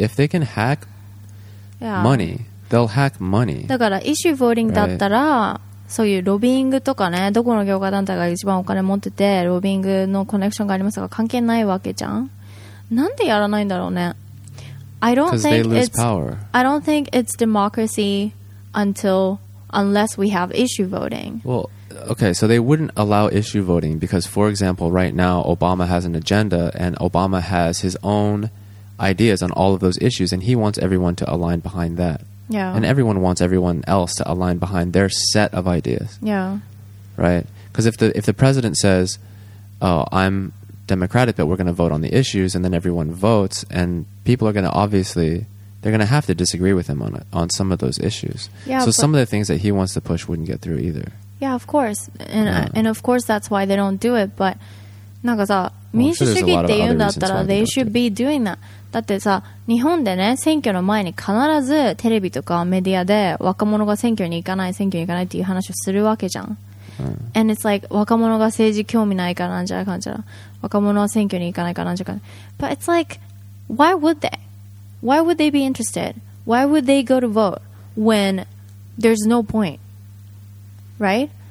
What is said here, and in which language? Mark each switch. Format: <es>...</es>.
<en>If they can hack money, they'll hack money.</en> <ja>だから、issue voting だったら、そういうロビングとかね、どこの業界団体が一番お金持ってて、ロビングのコネクションがありますが関係ないわけじゃん。なんでやらないんだろうね。</ja> <en>I don't think it's democracy unless we have issue voting. Well, okay, so they wouldn't allow issue voting because, for example, right now Obama has an agenda and Obama has his own ideas on all of those issues and he wants everyone to align behind that. Yeah. And everyone wants everyone else to align behind their set of ideas. Yeah. Right? Because if the president says, oh, I'm democratic, but we're going to vote on the issues, and then everyone votes, and people are going to obviously, they're going to have to disagree with him on some of those issues. Yeah, so some of the things that he wants to push wouldn't get through either. Yeah, of course. And of course, that's why they don't do it, but</en> <ja>なんかさ、民主主義って言うんだったら</ja> <en>they should be doing that.</en> <ja>だってさ、日本でね、選挙の前に必ずテレビとかメディアで若者が選挙に行かないっていう話をするわけじゃん。</ja> <en>And it's like</en> <ja>若者が政治興味ないからなんじゃないかんじゃら、若者は選挙に行かないからなんじゃないかん。</ja> <en>But it's like, why would they? Why would they be interested? Why would they go to vote when there's no point? Right?</en>